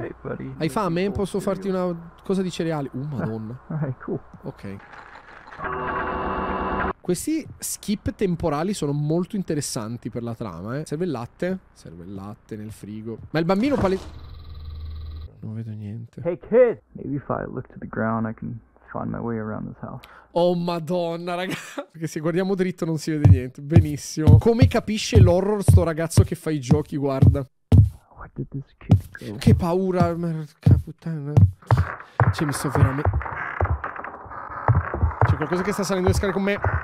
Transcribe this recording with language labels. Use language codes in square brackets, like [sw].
[en] Hey, buddy, [it] hai fame? Posso farti una cosa di cereali? Madonna. Ok. Questi skip temporali sono molto interessanti per la trama, eh. Serve il latte? Serve il latte nel frigo. Ma il bambino pale... Non vedo niente. [en] Hey kid! Maybe if I look to the ground I can find my way around this house. [it] Oh madonna, raga. Perché se guardiamo dritto non si vede niente. Benissimo. Come capisce l'horror sto ragazzo che fa i giochi, guarda. [en] What did this kid do? [it] Che paura. Merda, puttana. Cioè, mi sto veramente... C'è qualcosa che sta salendo le scale con me.